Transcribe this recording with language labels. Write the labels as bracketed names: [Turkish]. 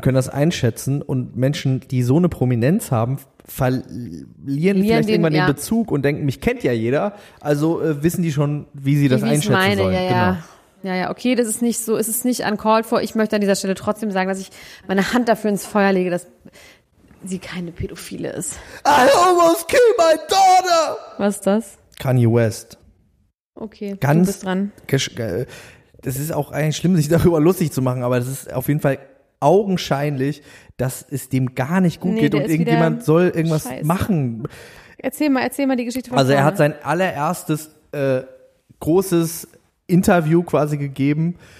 [German] können das einschätzen. Und Menschen, die so eine Prominenz haben, verlieren vielleicht irgendwann den Bezug und denken, mich kennt ja jeder. Also wissen die schon, wie sie das einschätzen sollen. Ja, okay, das ist nicht so, es ist nicht [English] uncalled for. [German] Ich möchte an dieser Stelle trotzdem sagen, dass ich meine Hand dafür ins Feuer lege, dass sie keine Pädophile ist. [English] I almost killed my daughter! [German] Was ist das? Kanye West. Okay, ganz, du bist dran. Das ist auch eigentlich schlimm, sich darüber lustig zu machen, aber das ist auf jeden Fall augenscheinlich, dass es dem gar nicht gut geht und irgendjemand soll irgendwas machen. Erzähl mal die Geschichte von Also er hat sein allererstes großes Interview quasi gegeben.